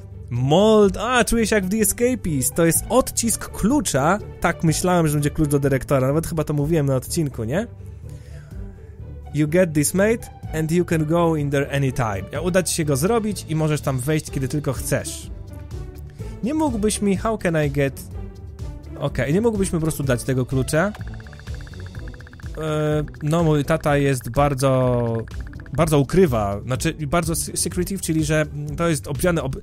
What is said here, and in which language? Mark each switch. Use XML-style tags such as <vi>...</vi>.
<pl>Mold. A, czuję się jak w The Escapist. To jest odcisk klucza. Tak myślałem, że będzie klucz do dyrektora. Nawet chyba to mówiłem na odcinku, nie?</pl> <en>You get this, mate, and you can go in there anytime.</en> <pl>Ja uda ci się go zrobić i możesz tam wejść, kiedy tylko chcesz. Nie mógłbyś mi...</pl> <en>How can I get...</en> <pl>Okej, nie mógłbyś mi po prostu dać tego klucza? No, mój tata jest bardzo... Bardzo ukrywa, znaczy bardzo secretive, czyli że to jest obwiane...</pl>